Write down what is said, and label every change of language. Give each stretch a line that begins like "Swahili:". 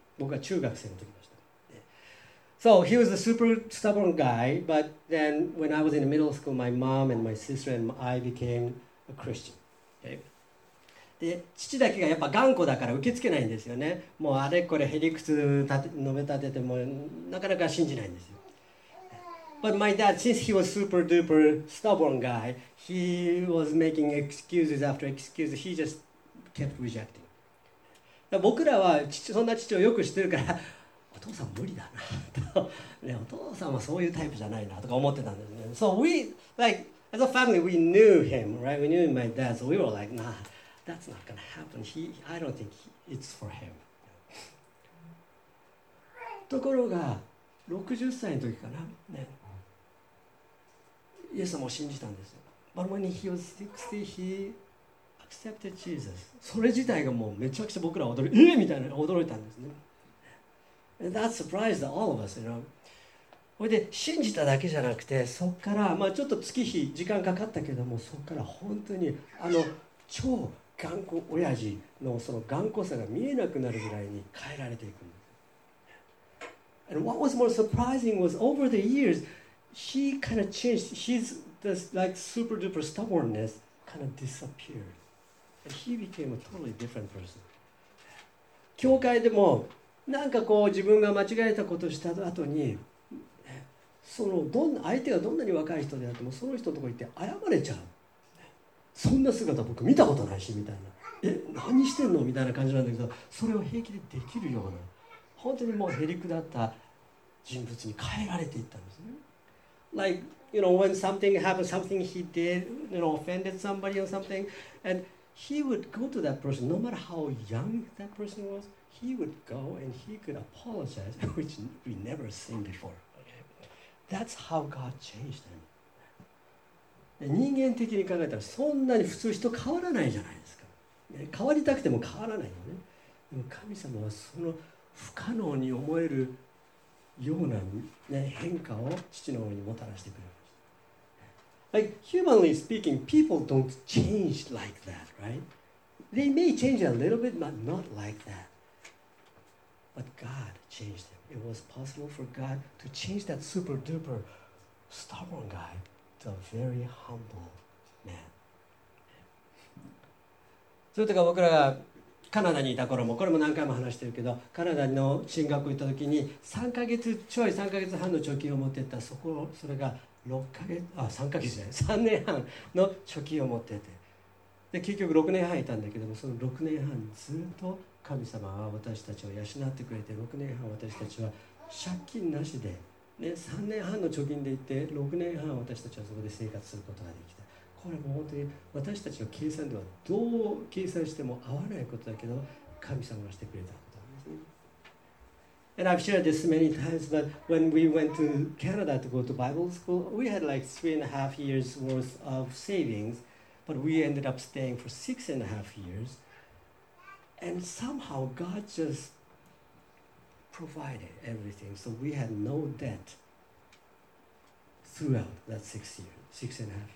Japanese: 僕が中学生の時でした。
English: So he was a super stubborn guy, but then when I was in middle school, my mom and my sister and I became a Christian. Okay.
Japanese: で父だけがやっぱ頑固だから受け付けないんですよね。もうあれこれへりくつ述べ立ててもなかなか信じないんですよ。
English: But my dad, since he was super duper stubborn guy, he was making excuses after excuses. He just kept rejecting.
Japanese: 僕らは父、そんな父をよく知ってるから、お父さん無理だなと、ね、お父さんはそういうタイプじゃないなとか思ってたんですね。
English: So we, like, as a family, we knew him, right? We knew my dad, so we were like, nah. That's not gonna happen. I don't think it's for him.
Japanese: ところが60歳の時かな、ね、イエス様を信じたんですよ。
English: But when he was 60, he accepted Jesus.
Japanese: それ自体がもうめちゃくちゃ僕ら驚いえー、みたいな驚いたんですね。
English: And that surprised all of us, you know.
Japanese: それで信じただけじゃなくて、そっから、まあ、ちょっと月日時間かかったけども、そっから本当に超頑固親父のその頑固さが見えなくなるぐらいに変えられていく。
English: And what was more surprising was over the years, he kind of changed his, like, super duper stubbornness kind of disappeared. And he became a totally different person.
Japanese: 教会でもなんかこう自分が間違えたことをした後に、そのどんな相手がどんなに若い人であってもその人のところに行って謝れちゃう。そんな姿僕見たことないしみたいな。え、何してんのみたいな感じなんだけど、それを平気でできるような、本当にもうへりくだった人物に変えられていったんですね。
English: Like, you know, when something happened, something he did, you know, offended somebody or something, and he would go to that person, no matter how young that person was, he would go and he could apologize, which we never seen before. That's how God changed him.
Japanese: 人間的に考えたらそんなに普通人変わらないじゃないですか。変わりたくても変わらないよね。でも神様はその不可能に思えるような、ね、変化を父の方にもたらしてくれました。
English: Like, humanly speaking, people don't change like that, right? They may change a little bit, but not like that. But God changed them. It was possible for God to change that super duper stubborn guy to a very humble man.
Japanese: それとか僕らがカナダにいた頃も、これも何回も話してるけど、カナダの進学行った時に3ヶ月ちょい、3ヶ月半の貯金を持ってった、そこ、それが6ヶ月、あ、3ヶ月じゃない、3年半の貯金を持ってて、で結局6年半いたんだけども、その6年半ずっと神様は私たちを養ってくれて、6年半私たちは借金なしで、ね、3年半の貯金で行って6年半私たちはそこで生活することができた。これも本当に私たちの計算ではどう計算しても合わないことだけど、神様がしてくれたことなんですね。
English: And I've shared this many times, but when we went to Canada to go to Bible school, we had like 3.5 years worth of savings, but we ended up staying for 6.5 years. And somehow God just provided everything, so we had no debt throughout that six and a half years.